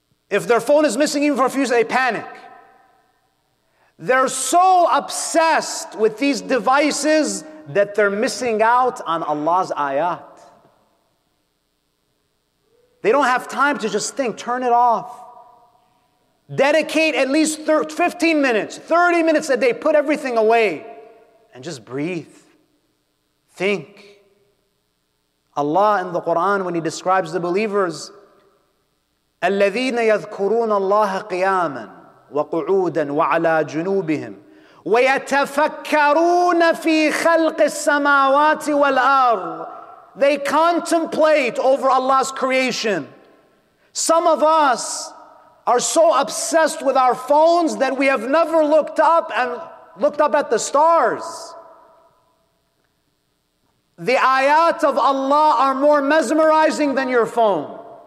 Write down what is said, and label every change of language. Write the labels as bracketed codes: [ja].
[en] If their phone is missing even for a few, they panic. They're so obsessed with these devices that they're missing out on Allah's ayat. They don't have time to just think, turn it off. Dedicate at least 15 minutes, 30 minutes a day, put everything away and just breathe. Think. Allah in the Quran, when He describes the believers, [ar] الَّذِينَ يَذْكُرُونَ اللَّهَ قِيَامًا وَقُعُودًا وَعَلَىٰ جُنُوبِهِمْ وَيَتَفَكَّرُونَ فِي خَلْقِ السَّمَاوَاتِ وَالْأَرْضِ. [en] They contemplate over Allah's creation. Some of us are so obsessed with our phones that we have never looked up and looked up at the stars. The ayat of Allah are more mesmerizing than your phone.